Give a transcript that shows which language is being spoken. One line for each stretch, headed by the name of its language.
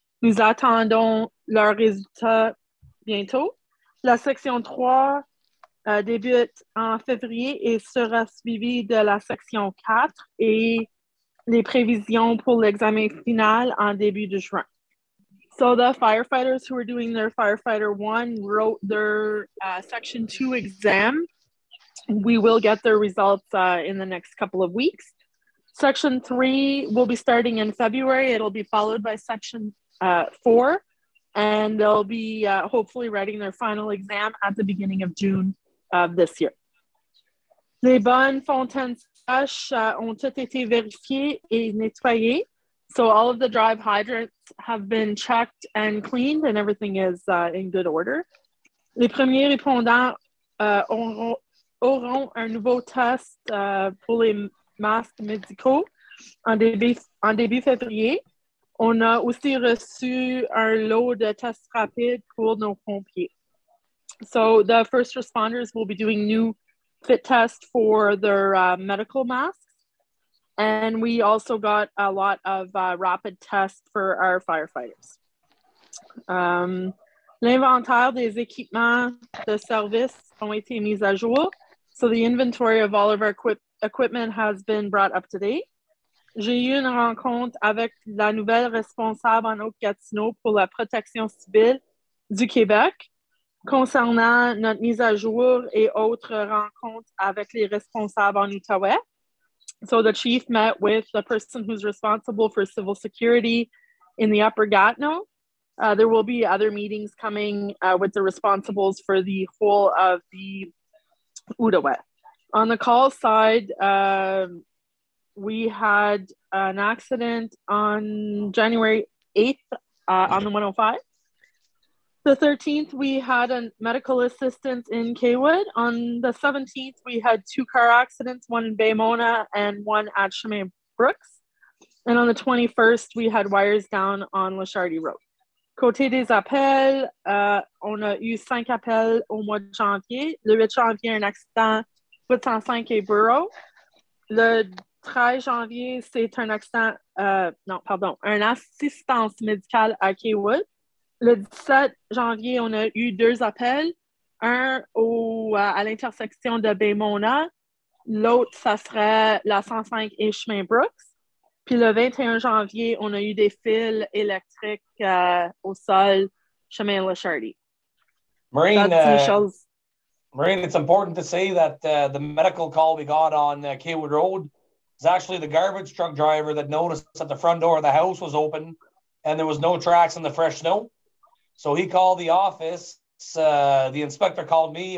French: Nous attendons leurs résultats bientôt. La section 3 débute en février et sera suivie de la section 4 et les prévisions pour l'examen final en début de juin.
English: So the firefighters who are doing their firefighter 1 wrote their section 2 exam. We will get their results in the next couple of weeks. Section 3 will be starting in February. It'll be followed by section 4, and they'll be hopefully writing their final exam at the beginning of June. This year.
French: Les bonnes fontaines sèches ont toutes été vérifiées et nettoyées.
English: So all of the drive hydrants have been checked and cleaned and everything is in good order.
French: Les premiers répondants auront un nouveau test pour les masques médicaux en début février. On a aussi reçu un lot de tests rapides pour nos pompiers.
English: So the first responders will be doing new fit tests for their medical masks. And we also got a lot of rapid tests for our firefighters.
French: L'inventaire des équipements de service ont été mis à jour.
English: So the inventory of all of our equipment has been brought up to date.
French: J'ai eu une rencontre avec la nouvelle responsable en Haute-Gatineau pour la protection civile du Québec. Concernant notre mise à jour et autres rencontres avec les responsables en Outaouais,
English: So the chief met with the person who's responsible for civil security in the Upper Gatineau. There will be other meetings coming with the responsibles for the whole of the Outaouais. On the call side, we had an accident on January 8th on the 105. The 13th, we had a medical assistance in Kaywood. On the 17th, we had two car accidents, one in Baymona and one at Chemin Brooks. And on the 21st, we had wires down on Lachardy Road.
French: Côté des appels, on a eu 5 appels au mois de janvier. Le 8 janvier, un accident 805 et Borough. Le 13 janvier, c'est un accident, un assistance médicale à Kaywood. Le 17 janvier, on a eu 2 appels. Un à l'intersection de Baymona. L'autre, ça serait la 105 et Chemin Brooks. Puis le 21 janvier, on a eu des fils électriques au sol, Chemin Lachardy.
English: Maureen, it's important to say that the medical call we got on Kaywood Road is actually the garbage truck driver that noticed that the front door of the house was open and there was no tracks in the fresh snow. So he called the office. The inspector called me.